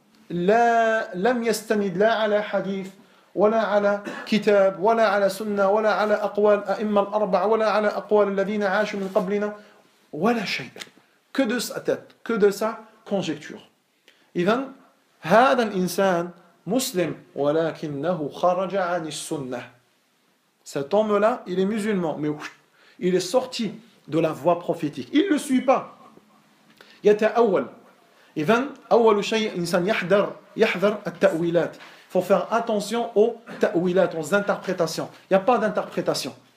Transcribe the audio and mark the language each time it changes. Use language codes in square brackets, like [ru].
[ar] لم يستند لا على حديث ولا على كتاب ولا على سنة ولا على أقوال أئمة الأربعة ولا على أقوال الذين عاشوا من قبلنا ولا شيء. [fr] Que de sa tête, que de sa conjecture. [ar] إذن هذا الإنسان مسلم ولكنه خرج عن السنة. [fr] Cet homme-là, il est musulman, mais il est sorti de la voie prophétique. Il ne le suit pas. [ar] يتأول. إذن أول شيء إنسان يحذر التأويلات. [fr] Faut faire attention aux ta'wilat, aux interprétations. Il n'y a pas d'interprétation.